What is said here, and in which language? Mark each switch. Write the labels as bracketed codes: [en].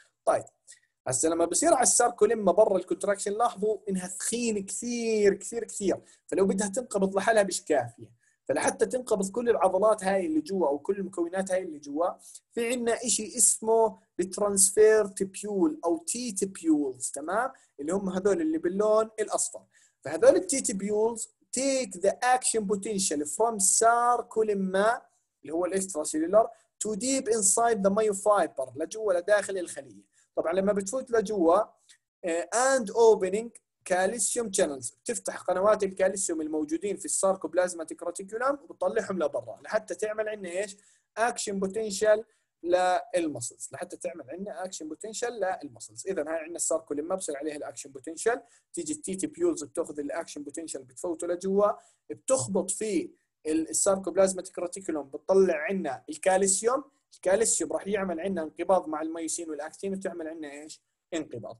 [ar] طيب هسه لما بصير على الساركوليما برا الكونتراكشن، لاحظوا انها ثخين كثير كثير كثير، فلو بدها تنقبض لحالها مش كافيه، فلحتى تنقبض كل العضلات هاي اللي جوا او كل المكونات هاي اللي جوا، في عندنا شيء اسمه الترانسفير تيبيول او تي تيبيولز، تمام؟ اللي هم هذول اللي باللون الاصفر. فهذول التي تيبيولز [en] take the action potential from sarcolemma [ar] اللي هو الاكستراسيلولر [en] to deep inside the myofiber [ar] لجوه لداخل الخلية. طبعا لما بتفوت لجوه [en] and opening calcium channels [ar] بتفتح قنوات الكالسيوم الموجودين في الساركوبلازماتيك راتيكولام وبتطلعهم لبرا لحتى تعمل عندنا ايش؟ action potential للمسلز لحتى تعمل عندنا اكشن بوتنشال للمسلز. اذا هاي عندنا السيركولين ماب بصير عليها الاكشن بوتنشال، تيجي التي تي بيولز بتاخذ الاكشن بوتنشال بتفوته لجوا، بتخبط في السيركوبلازماتيك ريتيكولوم بتطلع عندنا الكالسيوم، الكالسيوم راح يعمل عندنا انقباض مع الميوسين والاكتين وتعمل عندنا ايش انقباض.